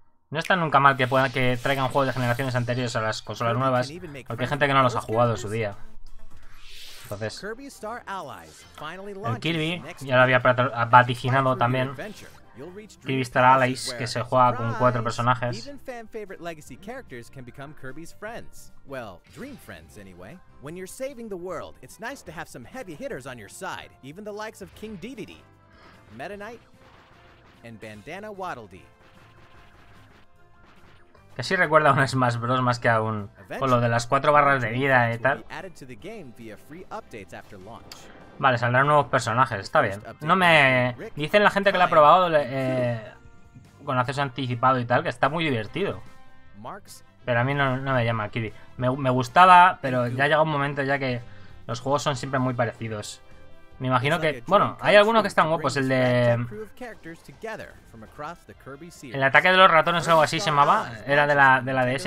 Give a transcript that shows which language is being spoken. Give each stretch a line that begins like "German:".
Spanish: No está nunca mal que traigan juegos de generaciones anteriores a las consolas nuevas, porque hay gente que no los ha jugado en su día. Entonces, el Kirby ya lo había vaticinado también. Kirby Star Allies, que se juega con cuatro personajes.
English: Even fan favorite legacy characters can become Kirby's friends. Well, dream friends anyway. When you're saving the world, it's nice to have some heavy hitters on your side, even the likes of King Dedede, Meta Knight, and Bandana Waddledee.
Spanish: Casi recuerda a un Smash Bros más que a un con lo de las cuatro barras de vida y tal.
English: Added to the game via free updates after launch.
Spanish: Vale, saldrán nuevos personajes, está bien. No me... Dicen la gente que lo ha probado con acceso anticipado y tal, que está muy divertido. Pero a mí no me llama Kirby. Me gustaba, pero ya llega un momento ya que los juegos son siempre muy parecidos. Me imagino que... Bueno, hay algunos que están guapos. El ataque de los ratones o algo así se llamaba. Era de la DS.